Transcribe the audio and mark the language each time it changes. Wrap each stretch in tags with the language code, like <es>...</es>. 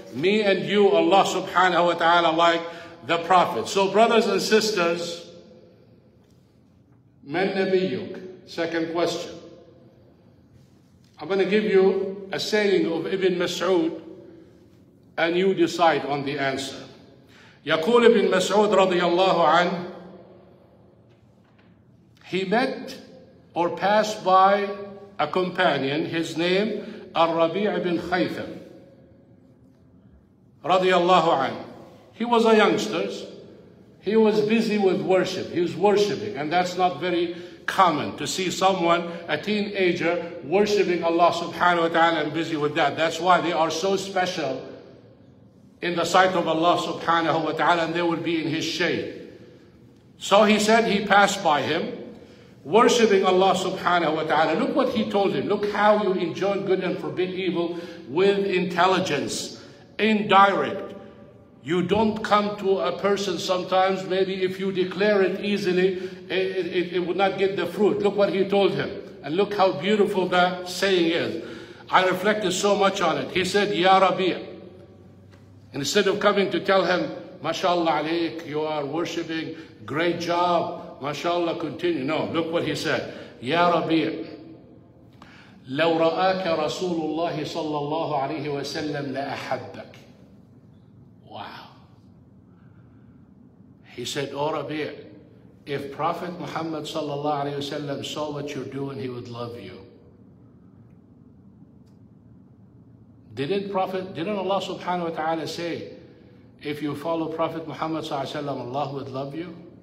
<en>Me and you, Allah subhanahu wa ta'ala, like the Prophet. So brothers and sisters, man nabiyuk, second question. I'm going to give you a saying of Ibn Mas'ud, and you decide on the answer.</en> <ar>يقول ابن مسعود رضي الله عنه,</ar> <en>he met or passed by a companion, his name</en> <ar>الربيع بن خيثم رضي الله عنه.</ar> <en>He was a youngster. He was busy with worship. He was worshiping. And that's not very common to see someone, a teenager, worshiping Allah subhanahu wa ta'ala and busy with that. That's why they are so special in the sight of Allah subhanahu wa ta'ala, and they would be in his shade. So he said he passed by him, worshiping Allah subhanahu wa ta'ala. Look what he told him. Look how you enjoin good and forbid evil with intelligence, indirect. You don't come to a person sometimes, maybe if you declare it easily, it would not get the fruit. Look what he told him. And look how beautiful that saying is. I reflected so much on it. He said, Ya Rabbi. Instead of coming to tell him, MashaAllah alaik, you are worshiping, great job, MashaAllah, continue. No, look what he said. Ya Rabbi.</en> <ar>لو رآك رسول الله صلى الله عليه وسلم لأحبك.</ar> <en>He said, O Rabbi, if Prophet Muhammad sallallahu alayhi wasallam saw what you're doing, he would love you. Didn't Allah subhanahu wa ta'ala say, if you follow Prophet Muhammad sallallahu alayhi wasallam, Allah would love you?</en>